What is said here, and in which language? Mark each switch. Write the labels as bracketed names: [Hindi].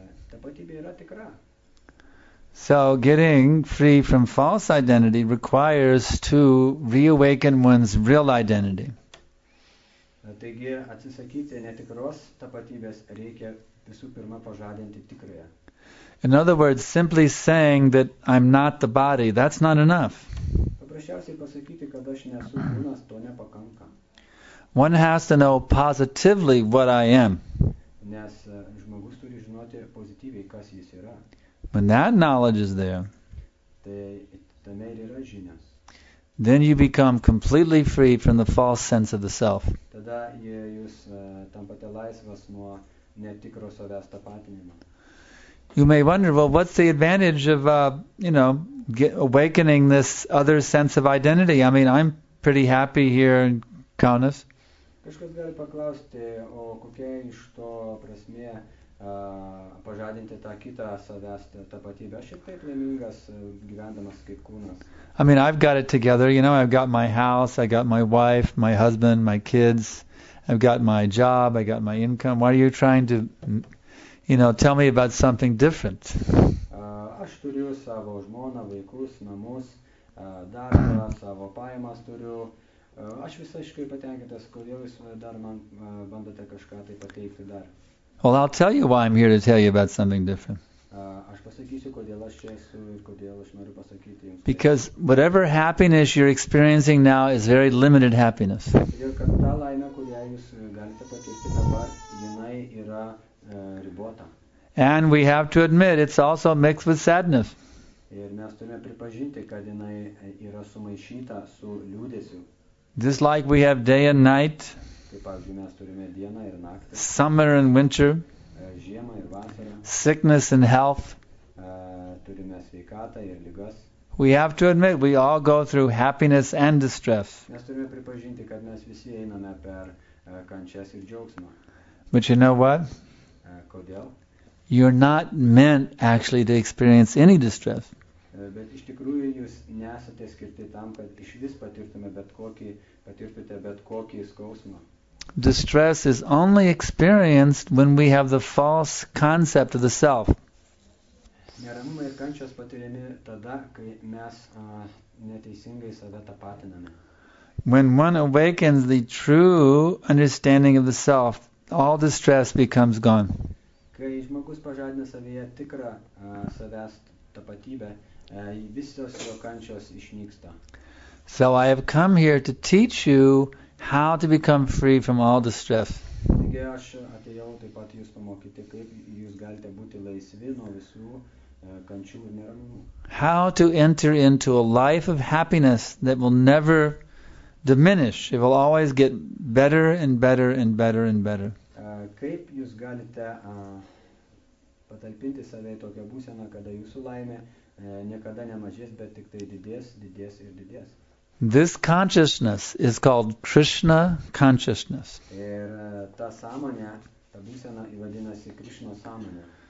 [Lithuanian] Tapatybė yra tikra. [English] So getting free from false identity requires to reawaken one's real identity. [Lithuanian] Taigi atsisakyti netikros tapatybės reikia visų pirma pažadinti tikrąją. [English] In other words, simply saying that I'm not the body, that's not enough. [Lithuanian] Paprasčiausiai pasakyti, kad aš nesu kūnas, to nepakanka. [English] One has to know positively what I am. [Lithuanian] Nes žmogus turi žinoti pozityviai, kas jis yra. [English] When that knowledge is there, [Lithuanian] tai tame ir yra žinios. [English] Then you become completely free from the false sense of the self. [Lithuanian] Tada jūs tampate laisvas nuo netikro savęs tapatinimo. [English] You may wonder, well, what's the advantage of, awakening this other sense of identity? I mean, I'm pretty happy here in Kaunas. [Lithuanian] Kažkas gali paklausti, o kokia iš to prasmė pažadinti tą kitą savęs tapatybę. Aš ir taip laimingas gyvendamas kaip kūnas. [English] I mean, I've got it together, you know, I've got my house, I got my wife, my husband, my kids, I've got my job, I got my income. Why are you trying to, you know, tell me about something different? [Lithuanian] Aš turiu savo žmoną, vaikus, namus, darbą, savo pajamas turiu. Aš visiškai patenkintas, kodėl jūs dar man bandote kažką tai pateikti dar. [English] Well, I'll tell you why I'm here to tell you about something different. [Lithuanian] Aš pasakysiu, kodėl aš čia esu ir kodėl aš noriu pasakyti jums. [English] Because whatever happiness you're experiencing now is very limited happiness. [Lithuanian] Todėl kad ta laimė, kurią jūs galite patirti dabar, jinai yra ribota. [English] And we have to admit it's also mixed with sadness. [Lithuanian] Ir mes turime pripažinti, kad jinai yra sumaišyta su liūdesiu. [English] Just like we have day and night, [Lithuanian] taip, pavyzdžiui, mes turime dieną ir naktį, [English] summer and winter, [Lithuanian] žiemą ir vasarą, [English] sickness and health, [Lithuanian] turime sveikatą ir ligas. [English] We have to admit we all go through happiness and distress. [Lithuanian] Mes turime pripažinti, kad mes visi einame per kančias ir džiaugsmą. [English] But you know what? [Lithuanian] Kodėl? [English] You're not meant actually to experience any distress. [Lithuanian] Bet iš tikrųjų jūs nesate skirti tam, kad iš vis patirtumėte bet kokį skausmą. [English] Distress is only experienced when we have the false concept of the self. [Lithuanian] Neramumai ir kančios patiriami tada, kai mes neteisingai save tapatiname. [English] When one awakens the true understanding of the self, all distress becomes gone. [Lithuanian] Kai žmogus pažadina savyje tikrą savęs tapatybę, visos jo kančios išnyksta. [English] So I have come here to teach you how to become free from all distress. [Lithuanian] Taigi aš atėjau taip pat jūs pamokyti, kaip jūs galite būti laisvi nuo visų kančių ir neramumų. [English] How to enter into a life of happiness that will never diminish. It will always get better and better and better and better. [Lithuanian] Kaip jūs galite patalpinti save į tokią būseną, kada jūsų laimė niekada nemažės, bet tik tai didės, didės ir didės. [English] This consciousness is called Krishna consciousness. [Lithuanian] Ir ta sąmonė, ta būsena vadinasi Krishna sąmonė.